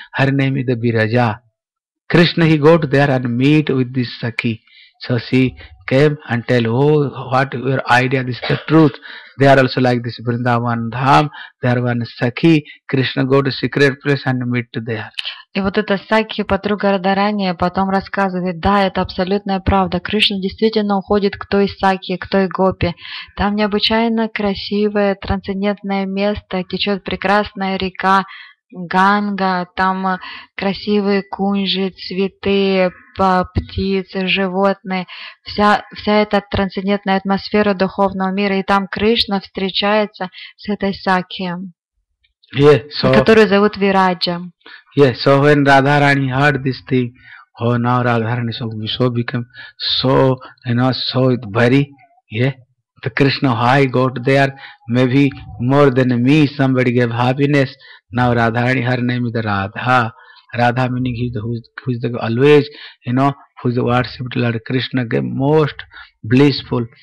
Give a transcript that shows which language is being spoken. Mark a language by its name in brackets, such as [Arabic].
[English] Her name is the Biraja. Krishna he go to there and meet with this sakhi. So she came and tell, oh, what your idea, this is the truth. They are also like this Vrindavan Dham, they are one Sakhi. Krishna go to secret place and meet there. [Russian] И вот эта Сакхи, подруга Радхарани, потом рассказывает, да, это абсолютная правда. Кришна действительно уходит к той Сакхи, к той Гопе. Там необычайно красивое, трансцендентное место, течет прекрасная река Ганга, там красивые кунжи, цветы, птицы, животные, вся эта трансцендентная атмосфера духовного мира, и там Кришна встречается с этой Сакхи, [English] yeah, so, [Russian] которую зовут Вираджа. [English] Yeah, so when Radharani heard this thing, oh, now Radharani so become so, you know, so very, yeah. The Krishna, how I got there, maybe more than me, somebody gave happiness. Now Radharani, her name is Radha. Radha meaning who is worshipped Lord Krishna, gave most blissful.